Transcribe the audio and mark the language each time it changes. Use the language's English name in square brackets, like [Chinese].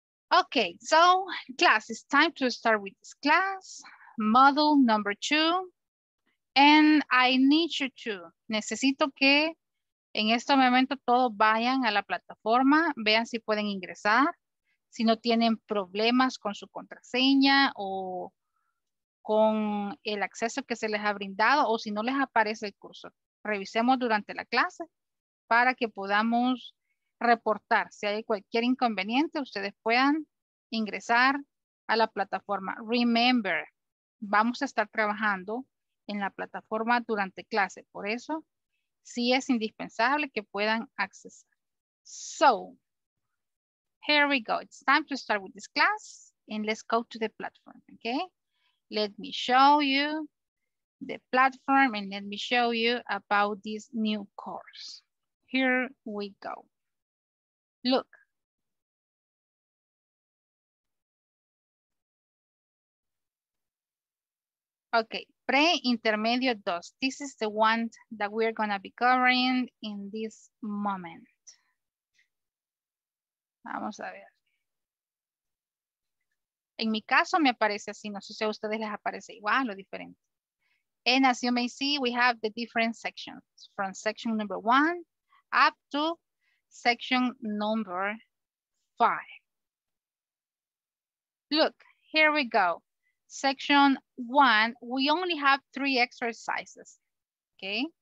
[English] Okay, so class, it's time to start with this class. Module number 2. And I need you to. [Spanish] Necesito que en este momento todos vayan a la plataforma. Vean si pueden ingresar. Si no tienen problemas con su contraseña o con el acceso que se les ha brindado o si no les aparece el curso. Revisemos durante la clase para que podamos reportar. Si hay cualquier inconveniente, ustedes puedan ingresar a la plataforma. Remember, vamos a estar trabajando en la plataforma durante clase. Por eso, sí es indispensable que puedan accesar. [English] So, here we go. It's time to start with this class and let's go to the platform, okay? Let me show you the platform and let me show you about this new course. Here we go. Look. Okay, pre-intermedio dos. This is the one that we're going to be covering in this moment. [Spanish] Vamos a ver. En mi caso me aparece así, no sé si a ustedes les aparece igual o diferente. [English] And as you may see, we have the different sections from section number one up to section number five. Look, here we go. Section one, we only have three exercises, okay?